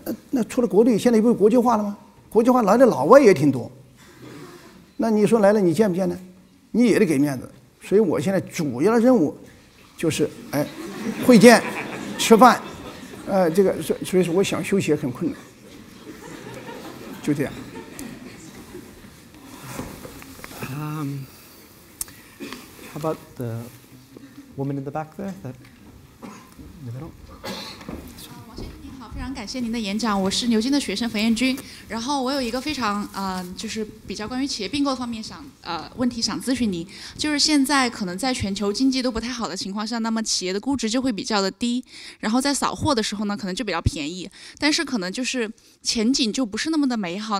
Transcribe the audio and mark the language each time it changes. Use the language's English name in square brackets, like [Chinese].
[Chinese] 那除了国内，现在不是国际化了吗？国际化来的老外也挺多。那你说来了你见不见呢？你也得给面子。所以我现在主要的任务就是会见吃饭，这个所以说我想休息也很困难。就这样。 [English] How about the woman in the back there? That in the middle? [Chinese] 王先生您好，非常感谢您的演讲。我是牛津的学生冯彦君，然后我有一个非常就是比较关于企业并购方面想问题想咨询您，就是现在可能在全球经济都不太好的情况下，那么企业的估值就会比较的低，然后在扫货的时候呢，可能就比较便宜，但是可能就是前景就不是那么的美好。